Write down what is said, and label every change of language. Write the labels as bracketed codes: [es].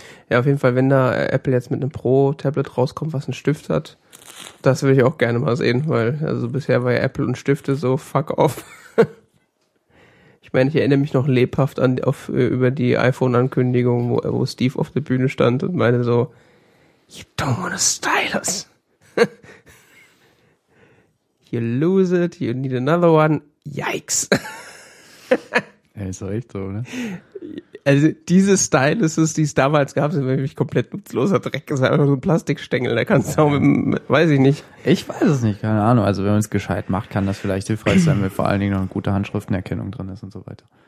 [de] Ja, auf jeden Fall, wenn da Apple jetzt mit einem Pro-Tablet rauskommt, was einen Stift hat, das will ich auch gerne mal sehen, weil also bisher war ja Apple und Stifte so [en] fuck off. [de] Ich meine, ich erinnere mich noch lebhaft an über die iPhone-Ankündigung, wo Steve auf der Bühne stand und meinte so, [en] you don't want a stylus. You lose it, you need another one. Yikes. [de] Ey, ist doch echt so, ne? Also diese Styluses, die es damals gab, sind nämlich komplett nutzloser Dreck. Das ist einfach so ein Plastikstängel, da kannst du auch mit, weiß ich nicht. Ich weiß es nicht, keine Ahnung. Also wenn man es gescheit macht, kann das vielleicht hilfreich sein, wenn vor allen Dingen noch eine gute Handschriftenerkennung drin ist und so weiter.